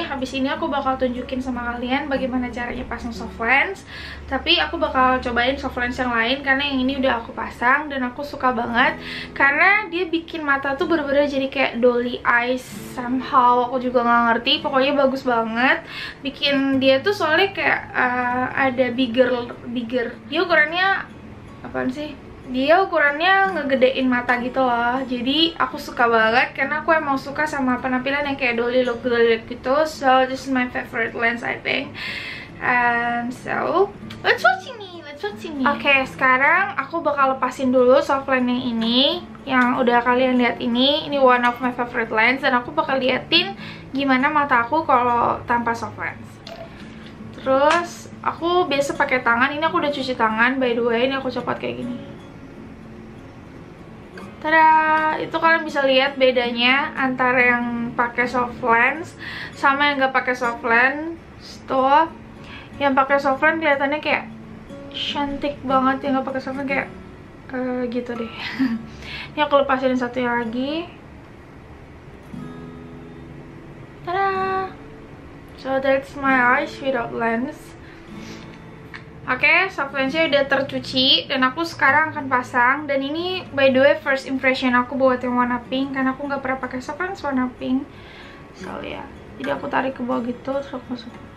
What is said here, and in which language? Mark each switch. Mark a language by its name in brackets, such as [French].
[Indonesian] Habis ini aku bakal tunjukin sama kalian bagaimana caranya pasang soft lens, tapi aku bakal cobain soft lens yang lain karena yang ini udah aku pasang dan aku suka banget karena dia bikin mata tuh bener-bener jadi kayak dolly eyes somehow, aku juga gak ngerti, pokoknya bagus banget. Bikin dia tuh soalnya kayak ada bigger. Dia ukurannya, apaan sih? Dia ukurannya ngegedein mata gitu loh. Jadi aku suka banget karena aku emang suka sama penampilan yang kayak dolly look gitu. [English] So this is my favorite lens I think. And so, let's watch [Indonesian] ini. Okay, sekarang aku bakal lepasin dulu soft lens yang ini, yang udah kalian lihat ini [English] one of my favorite lens, [Indonesian] dan aku bakal liatin gimana mata aku kalau tanpa soft lens. Terus aku biasa pakai tangan, ini aku udah cuci tangan [English] by the way, [Indonesian] ini aku copot kayak gini. Tada, itu kalian bisa lihat bedanya antara yang pakai soft lens sama yang gak pakai soft lens. Tuh, yang pakai soft lens kelihatannya kayak cantik banget, yang gak pakai soft lens kayak gitu deh. Ini aku lepasin satu yang lagi. Tada. [English] So that's my eyes without lens. [Indonesian] Okay, soft lensnya udah tercuci dan aku sekarang akan pasang. Dan ini [English] by the way first impression [Indonesian] aku buat yang warna pink karena aku nggak pernah pakai soft lens warna pink. [English] So ya, yeah. [Indonesian] Jadi aku tarik ke bawah gitu terus aku masuk.